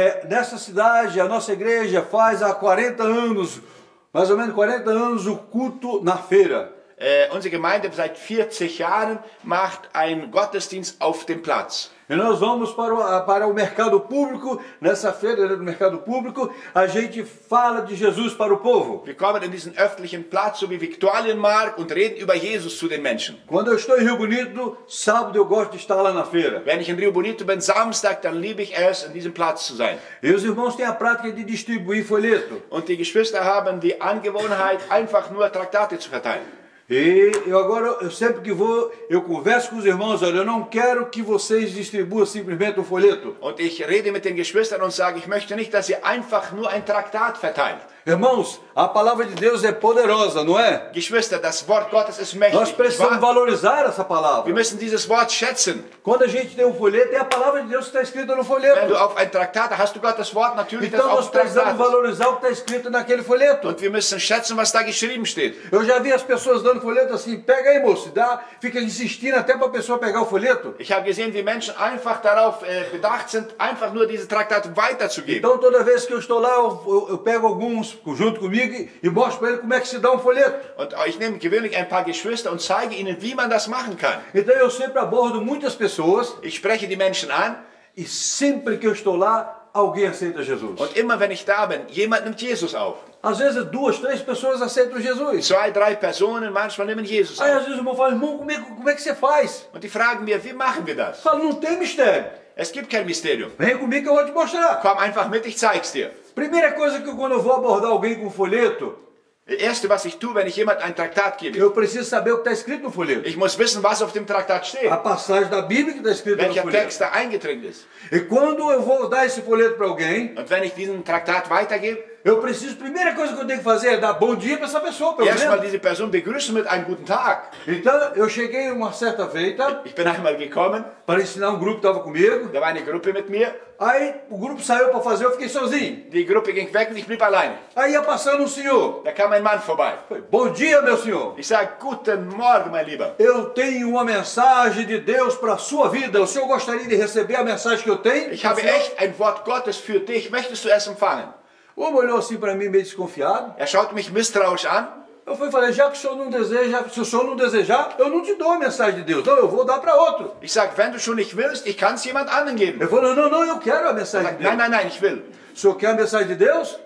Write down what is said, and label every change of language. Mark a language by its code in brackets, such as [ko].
[pt] Nessa cidade, a nossa igreja faz há 40 anos, mais ou menos 40 anos, o culto na feira. [de] Unsere Gemeinde seit 40 Jahren macht ein Gottesdienst auf dem Platz. [pt] E nós vamos para o mercado público, nessa feira do mercado público, a gente fala de Jesus para o povo. [de] Wir kommen in diesen öffentlichen Platz, so wie Viktualienmarkt, und reden über Jesus zu den Menschen. [pt] Quando eu estou em Rio Bonito, sábado eu gosto de estar lá na feira. [de] Wenn ich in Rio Bonito bin, Samstag, dann liebe ich es, in diesem Platz zu sein. [pt] E os irmãos têm a prática de distribuir folheto. [de] Und die Geschwister haben die Angewohnheit, einfach nur Traktate zu verteilen. [pt] E eu agora, eu sempre que vou, eu converso com os irmãos, olha, eu não quero que vocês distribuam simplesmente um folheto. [de] Und ich rede mit den Geschwistern und sage, ich möchte nicht, dass ihr einfach nur ein Traktat verteilt. [pt] Irmãos, a palavra de Deus é poderosa, não é? [de] Geschwister, das Wort Gottes ist mächtig. [pt] Nós precisamos valorizar essa palavra. [de] Wir müssen dieses Wort schätzen. [pt] Quando a gente tem um folheto, é a palavra de Deus que está escrita no folheto. [de] Wenn du auf ein Traktat hast du Gottes Wort, natürlich das auf Traktat. [pt] Então nós precisamos valorizar o que está escrito naquele folheto. [de] Und wir müssen schätzen, was da geschrieben steht. [pt] Eu já vi as pessoas dando folheto assim, pega aí, moço, dá, fica insistindo até para a pessoa pegar o folheto. [de] Ich habe gesehen, wie Menschen einfach darauf bedacht sind, einfach nur diese Traktat weiterzugeben. [pt] Então toda vez que eu estou lá, eu pego alguns junto comigo e mostro para ele como é que se dá um folheto. [de] Und ich nehme gewöhnlich ein paar Geschwister und zeige ihnen, wie man das machen kann. [pt] Então eu sempre abordo muitas pessoas. [de] Ich spreche die Menschen an. [pt] E sempre que eu estou lá, alguém aceita Jesus. [de] Und immer wenn ich da bin, jemand nimmt Jesus auf. [pt] Às vezes duas, três pessoas aceitam Jesus. [de] Zwei, drei Personen manchmal nehmen Jesus [pt] auf. Aí às vezes eu falo, irmão, como é que você faz? [de] Und die fragen mir, wie machen wir das? [pt] Falo, não tem mistério. [de] Es gibt kein Mysterium. [pt] Vem comigo que eu vou te mostrar. [de] Komm einfach mit, ich zeig's dir. [pt] Primeira coisa que eu, quando eu vou abordar alguém com folheto, [de] erste was ich tue, wenn ich jemand ein Traktat gebe. [pt] Eu preciso saber o que está escrito no folheto. [de] Ich muss wissen, was auf dem Traktat steht. [pt] A passagem da Bíblia que está escrito [de] welcher [pt] no folheto. [de] Text da eingetragen ist. [pt] E quando eu vou dar esse folheto para alguém, [de] und wenn ich diesen Traktat weitergebe, [pt] eu preciso, primeira coisa que eu tenho que fazer é dar bom dia para essa pessoa, pelo menos. [de] Erstmal diese Person begrüßen mit einem guten Tag. [pt] Então, eu cheguei uma certa feita. [de] Ich bin einmal gekommen. [pt] Para ensinar um grupo que estava comigo. [de] Da war eine Gruppe mit mir. [pt] Aí, o grupo saiu para fazer, eu fiquei sozinho. [de] Die Gruppe ging weg und ich blieb alleine. [pt] Aí, ia passando um senhor. [de] Da kam ein Mann vorbei. [pt] Bom dia, meu senhor. [de] Ich sage, guten Morgen, mein Lieber. [pt] Eu tenho uma mensagem de Deus para a sua vida. O senhor gostaria de receber a mensagem que eu tenho? [de] Ich habe echt ein Wort Gottes für dich. Möchtest du es empfangen? [pt] O homem olhou assim para mim meio desconfiado. [de] Er schaute mich misstrauisch an. [pt] Eu fui falar, já que o senhor não deseja, se o senhor não desejar, eu não te dou a mensagem de Deus. Não, eu vou dar para outro. [de] Ich sag, wenn du schon nicht willst, ich kann es jemand anderen geben. [pt] Eu falei, não, não, eu quero a mensagem de Deus. [de] Nein, nein, nein, ich will. [pt] O senhor quer a mensagem de Deus?